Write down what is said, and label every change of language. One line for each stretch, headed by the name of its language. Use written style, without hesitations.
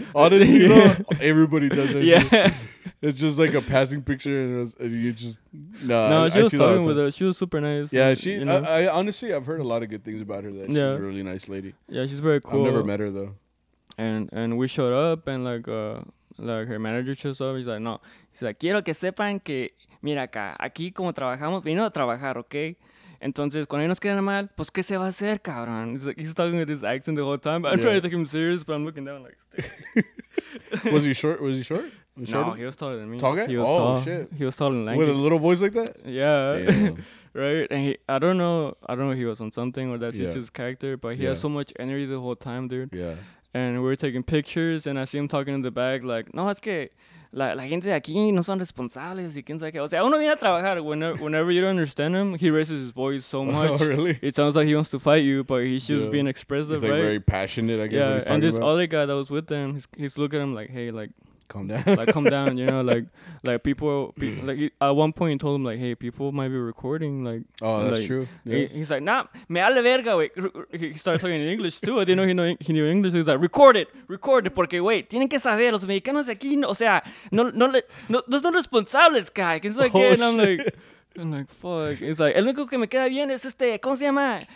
English: Honestly, you know, everybody does that. Yeah. Shit. It's just, like, a passing picture, she was talking with her. She was super nice. Yeah, and, honestly, I've heard a lot of good things about her, that she's a really nice lady. Yeah, she's very cool. I've never met her, though. And we showed up, and, like her manager shows up, he's like, no. He's like,
Spanish: quiero que sepan que, mira acá, aquí como trabajamos, vino a trabajar, okay? Entonces, cuando nos quedan mal, pues, ¿qué se va a hacer, cabrón?
English: He's like, he's talking with this accent the whole time, but I'm trying to take him serious, but I'm looking down like, stay. Was he short? He was taller than me. Tall guy? He was tall. Shit. He was tall and lanky. With a little voice like that? Yeah. Right? And I don't know if he was on something or that's just his character, but he has so much energy the whole time, dude. Yeah. And we were taking pictures, and I see him talking in the back, like,
Spanish: no, es que la gente de aquí no son responsables, y quién sabe qué. O sea, uno viene a trabajar.
English: Whenever you don't understand him, he raises his voice so much. Oh, really? It sounds like he wants to fight you, but he's just being expressive, he's, like, right? He's, very passionate, I guess, what he's talking and this about. Other guy that was with him, he's looking at him like, hey, like... Calm down. Like, calm down, you know? Like people at one point, he told him, like, hey, people might be recording, like... Oh, that's like, true. Yeah. He's like, nah,
Spanish: me vale verga, wey.
English: He started talking in English, too. I didn't know he knew English. He's like, record it,
Spanish: porque, wey, tienen que saber, los mexicanos aquí, no, o sea, no son responsables, guy.
English: He's like, oh, yeah, and I'm like, fuck. He's like,
Spanish: el único que me queda bien es este, ¿cómo se llama?